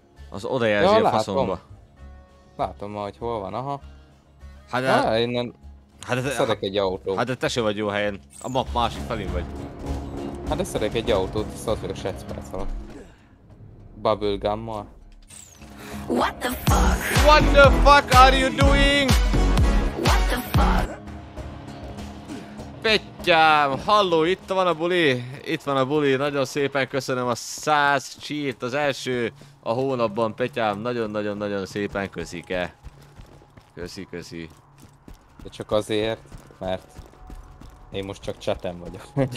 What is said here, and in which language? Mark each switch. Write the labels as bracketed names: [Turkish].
[Hungarian] Az odajelzi a faszomba. Látom ma, hogy hol van, aha. Hát de... Szedek egy autót. Hát de te sem vagy jó helyen. A map másik felén vagy. Hát de szedek egy autót, szólt vagy a 6 perc alatt. Bubblegummal. [English] What the fuck? What the fuck are you doing? What the fuck? [Hungarian] Pettyám, halló, itt van a buli. Itt van a buli, nagyon szépen köszönöm a 100 cheert az első a hónapban, Petyám, nagyon-nagyon-nagyon szépen köszike. Köszi. De csak azért, mert én most csak chatem vagyok.